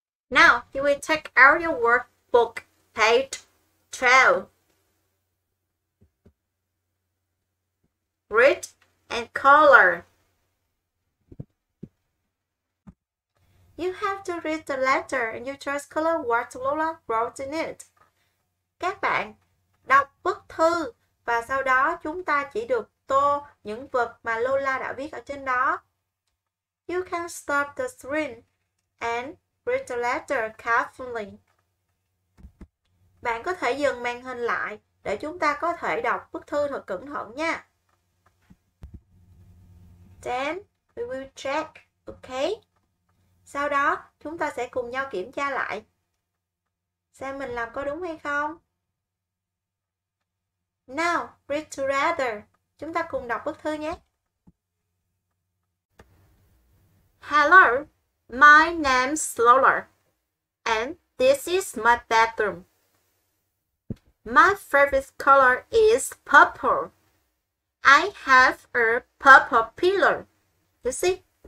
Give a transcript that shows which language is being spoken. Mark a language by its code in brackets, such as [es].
[en] Now, you will take out your workbook, page 12. Read and color. You have to read the letter and you just color what Lola wrote in it. [vi] Các bạn đọc bức thư và sau đó chúng ta chỉ được tô những vật mà Lola đã viết ở trên đó. [en] You can stop the screen and read the letter carefully. [vi] Bạn có thể dừng màn hình lại để chúng ta có thể đọc bức thư thật cẩn thận nha. [en] Then we will check, okay? [vi] Sau đó chúng ta sẽ cùng nhau kiểm tra lại xem mình làm có đúng hay không. [en] Now, read together. [vi] Chúng ta cùng đọc bức thư nhé. [en] Hello, my name's Lola, and this is my bedroom. My favorite color is purple. I have a purple pillow. You see?